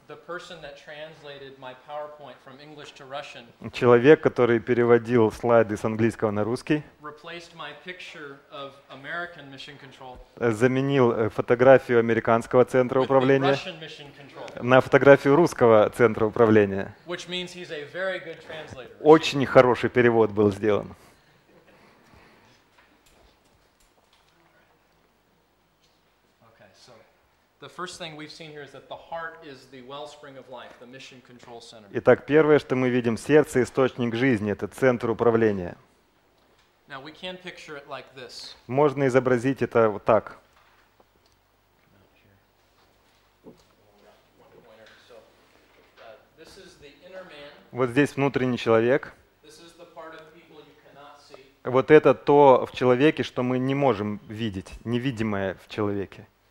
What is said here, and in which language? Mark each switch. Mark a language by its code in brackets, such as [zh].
[en] The person that translated my PowerPoint from English to Russian. [ru] Человек, который переводил слайды с английского на русский, [en] replaced my picture of American Mission Control. [ru] Заменил фотографию американского центра управления [en] with the Russian Mission Control. [ru] На фотографию русского центра управления. [en] Which means he's a very good translator. [ru] Очень хороший перевод был сделан. [en] The first thing we've seen here is that the heart is the wellspring of life, the mission control center. [ru] Итак, первое, что мы видим, сердце — источник жизни, это центр управления. [en] Now we can picture it like this. [ru] Можно изобразить это вот так. [en] This is the inner man. [ru] Вот здесь внутренний человек. [en] This is the part of people you cannot see. [ru] Вот это то в человеке, что мы не можем видеть, невидимое в человеке.